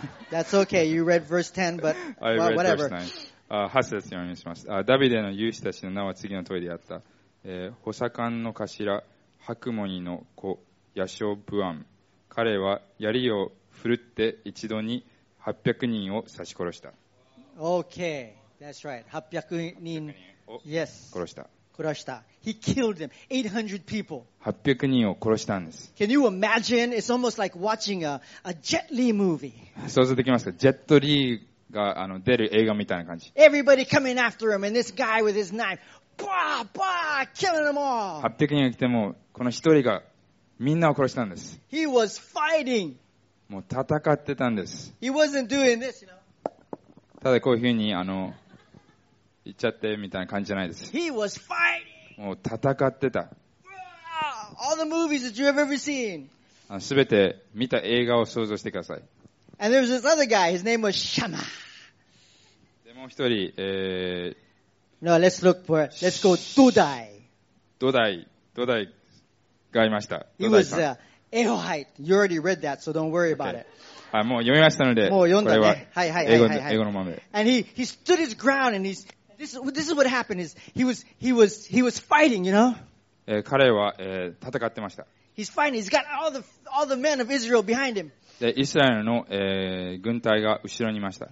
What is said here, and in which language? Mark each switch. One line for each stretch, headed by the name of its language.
English: That's okay, you read verse 10, but whatever. I read verse 9.
Japanese: 8節読みします。ダビデの勇士たちの名は次の通りであった。補佐官の頭、ハクモニの子、ヤショブアン。彼は槍を振るって一度に800人を刺し殺した。
English: Okay, that's right. 800人
Japanese: を、
English: yes.
Japanese: 殺した。殺した。
English: He killed them. 800 people.
Japanese: 800人を殺したんです。
English: Can you imagine? It's almost like watching a Jet Li movie.
Japanese: 想像できますか？ジェットリーが出る映画みたいな感じ。
English: Everybody coming after him and this guy with his knife. Bah, bah, killing them all.
Japanese: 800人が来ても、この一人がみんなを殺したんです。
English: He was fighting.
Japanese: もう戦ってたんです。
English: He wasn't doing this, you know?
Japanese: ただこういうふうに言っちゃってみたいな感じじゃないです。
English: He was fighting.
Japanese: もう戦ってた。
English: All the movies that you have ever seen.
Japanese: 全て見た映画を想像してください。
English: And there was this other guy, his name was Shama.
Japanese: でもう一人、
English: No, let's look for it. Let's go Dodai.
Japanese: Dodai がいました。
English: He was a... エホハイ、you already read that, so don't worry about it.
Japanese: あ、もう読みましたので、もう読んだね。英語のまま。
English: And he stood his ground and this is what happened is he was fighting, you know?
Japanese: 彼は、戦ってました。
English: He's fighting. He's got all the men of Israel behind him.
Japanese: で、イスラエルの、軍隊が後ろにいました。